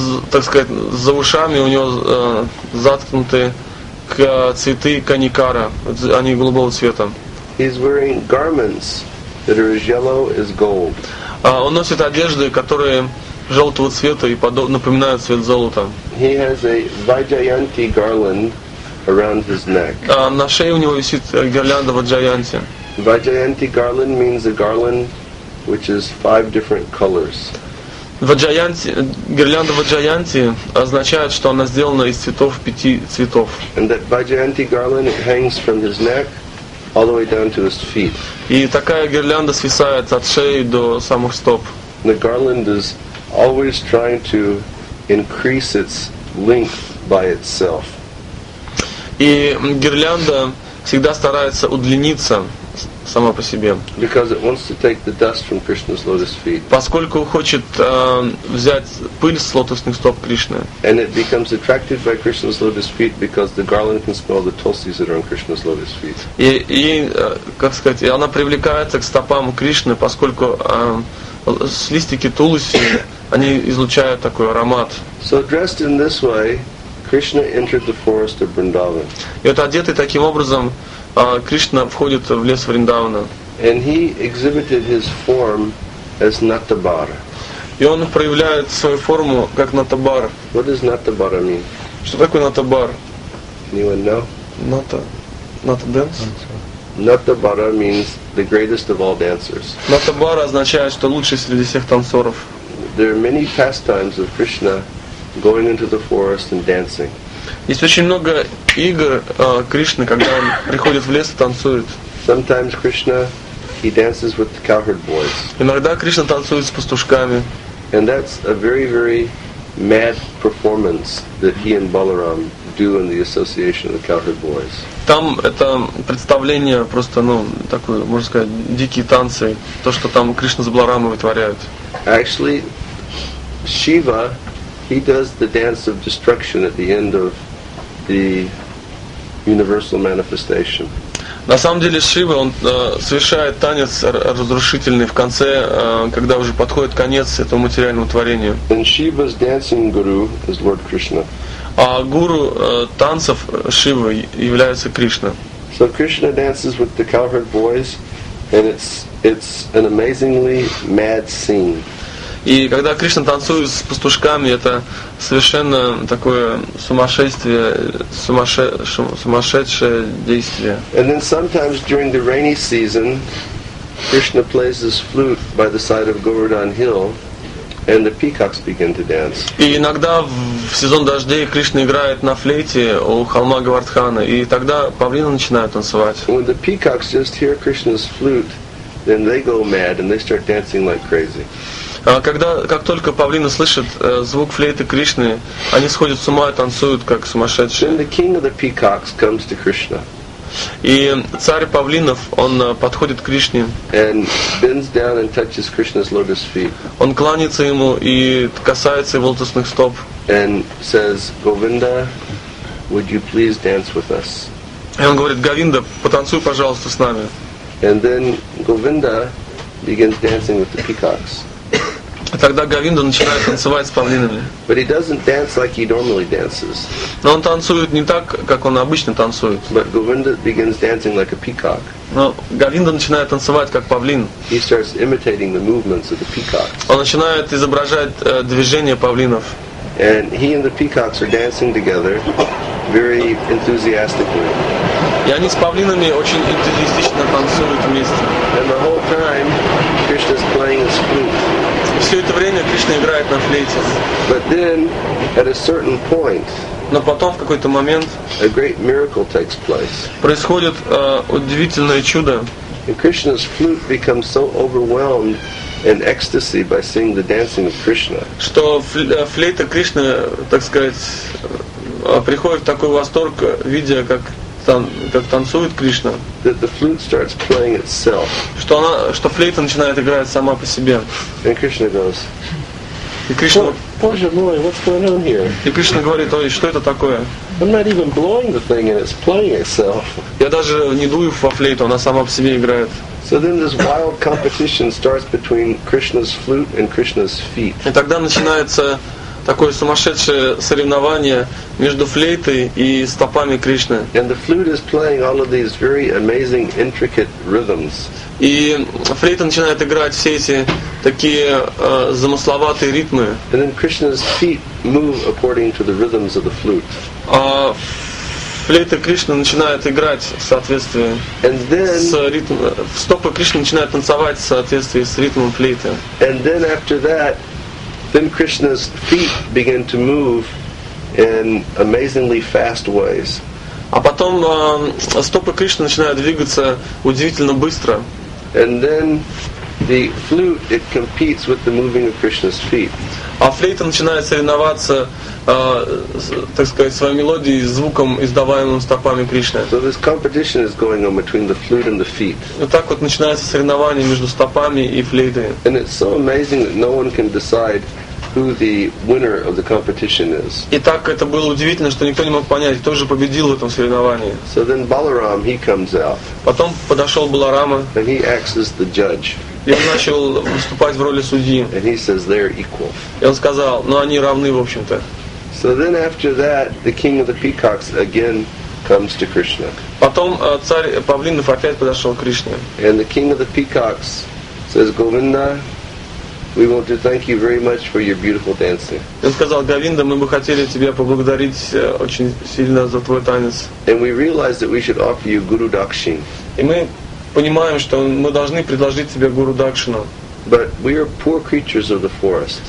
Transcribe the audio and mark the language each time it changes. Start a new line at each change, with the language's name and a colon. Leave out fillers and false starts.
Russian: Так сказать, за ушами у него заткнуты цветы каникара. Они голубого цвета.
English: He's wearing garments that are as yellow as gold.
Russian: Он носит одежды, которые желтого цвета и напоминают цвет золота.
English: He has a Vajayanti garland around his neck.
Russian: На шее у него висит гирлянда Vajayanti.
English: Vajayanti garland means a garland which is five different colors.
Russian: Vajayanti, гирлянда Vajayanti означает, что она сделана из цветов пяти цветов.
English: And that Vajayanti garland hangs from his neck all the way down to his feet.
Russian: И такая гирлянда свисает от шеи до самых стоп.
English: The garland is always trying to increase its length by itself.
Russian: И гирлянда всегда старается удлиниться сама по себе.
English: Because it wants to take the dust from Krishna's lotus feet.
Russian: Поскольку хочет взять пыль с лотосных стоп Кришны.
English: And it becomes attracted by Krishna's lotus feet because the garland can smell the tulsis that are on Krishna's lotus feet.
Russian: И как сказать, она привлекается к стопам Кришны, поскольку с листики тулуси они излучают такой аромат.
English: So dressed in this way, Krishna entered the forest of Vrindavan.
Russian: И вот одетый таким образом, Кришна входит в лес Вриндавана.
English: And he exhibited his form as Natabar.
Russian: И он проявляет свою форму как Натабар.
English: What does Natabara mean?
Russian: Что такое Натабар?
English: Anyone know? Nata dance? Natabara means the greatest of all dancers.
Russian: Natabara означает, что лучший среди всех танцоров.
English: There are many pastimes of Krishna going into the forest and dancing.
Russian: Есть очень много игр Кришны, когда он приходит в лес и танцует.
English: Sometimes Krishna, he dances with the cowherd boys.
Russian: Иногда Кришна танцует с пастушками.
English: And that's a very, very mad performance that he and Balaram do in the association of the cowherd boys.
Russian: Там это представление просто, ну, такое, можно сказать, дикие танцы, то, что там Кришна с Баларамой вытворяют.
English: Actually, Shiva, he does the dance of destruction at the end of the universal manifestation.
Russian: На самом деле Шива, он совершает танец разрушительный в конце, когда уже подходит конец этому материальному творению.
English: And Shiva's dancing guru is Lord Krishna.
Russian: А гуру танцев Шивы является Кришна.
English: So Krishna dances with the cowherd boys, and it's an amazingly mad scene.
Russian: И когда Кришна танцует с пастушками, это совершенно такое сумасшествие, сумасшедшее действие.
English: And then sometimes during the rainy season, Krishna plays his flute by the side of Govardhan Hill, and the peacocks begin to dance.
Russian: И иногда в сезон дождей Кришна играет на флейте у холма Говардхана, и тогда павлины начинают танцевать.
English: When the peacocks just hear Krishna's flute, then they go mad and they start dancing like crazy.
Russian: Когда, как только павлины слышат звук флейты Кришны, они сходят с ума и танцуют, как сумасшедшие.
English: Then the king of the peacocks comes to Krishna.
Russian: И царь павлинов, он подходит к Кришне.
English: And bends down and touches Krishna's lotus feet.
Russian: Он кланяется ему и касается его лотосных стоп.
English: And says, Govinda, would you please dance with us?
Russian: И он говорит, Говинда, потанцуй, пожалуйста, с нами.
English: And then Govinda begins dancing with the peacocks.
Russian: И тогда Говинда начинает танцевать с павлинами.
English: But he doesn't dance like he normally dances.
Russian: Но он танцует не так, как он обычно танцует.
English: But Govinda begins dancing like a peacock.
Russian: Но Говинда начинает танцевать как павлин.
English: He starts imitating the movements of the peacocks.
Russian: Он начинает изображать движения павлинов.
English: And he and the peacocks are dancing together very enthusiastically.
Russian: И они с павлинами очень энтузиастично танцуют вместе.
English: And the whole time Krishna is playing his flute.
Russian: Все это время Кришна играет на флейте.
English: But then, at a certain point,
Russian: но потом в какой-то момент
English: a great miracle takes place.
Russian: Происходит удивительное чудо.
English: And Krishna's flute becomes so overwhelmed in ecstasy by seeing the dancing of Krishna.
Russian: Что флейта Кришны, так сказать, приходит в такой восторг, видя, как танцует Кришна.
English: That the flute starts playing itself.
Russian: Что флейта начинает играть сама по себе.
English: And Krishna goes.
Russian: И Кришна. Боже мой,
English: what's going on here?
Russian: И Кришна говорит, ой, что это такое?
English: I'm not even blowing the thing and it's playing itself.
Russian: Я даже не дую во флейту, она сама по себе играет.
English: So then this wild competition starts between Krishna's flute and Krishna's feet.
Russian: И тогда начинается такое сумасшедшее соревнование между флейтой и стопами Кришны.
English: And the flute is playing all of these very amazing intricate rhythms.
Russian: И флейта начинает играть все эти такие замысловатые ритмы.
English: And then Krishna's feet move according to the rhythms of the flute.
Russian: А флейта Кришны начинает играть в соответствии and then, с ритмом. Стопы Кришны начинают танцевать в соответствии с ритмом флейты.
English: And then after that, then Krishna's feet begin to move in amazingly fast ways.
Russian: А потом стопы Кришны начинают двигаться удивительно быстро.
English: And then the flute, it competes with the moving of Krishna's feet.
Russian: А флейта начинает соревноваться, так сказать, своей мелодией и звуком, издаваемым стопами Кришны.
English: So this competition is going on between the flute and the feet.
Russian: Вот так вот начинается соревнование между стопами и флейтой.
English: And it's so amazing that no one can decide who the winner of the competition is.
Russian: И так это было удивительно, что никто не мог понять, кто же победил в этом соревновании.
English: So then Balaram, he comes out.
Russian: Потом подошел Баларама.
English: And he acts as the judge.
Russian: И он начал выступать в роли судьи.
English: And he says they're equal.
Russian: И он сказал, ну они равны, в общем-то.
English: So then after that, the king of the peacocks again comes to Krishna.
Russian: Потом царь павлинов опять подошел к Кришне.
English: And the king of the peacocks says, Govinda, we want to thank you very much for your beautiful dancing.
Russian: Он сказал, Говинда, мы бы хотели тебя поблагодарить очень сильно за твой танец.
English: And we realized that we should offer you Guru Dakshin.
Russian: И мы понимаем, что мы должны предложить тебе Гуру Дакшину.
English: But we are poor creatures of the forest.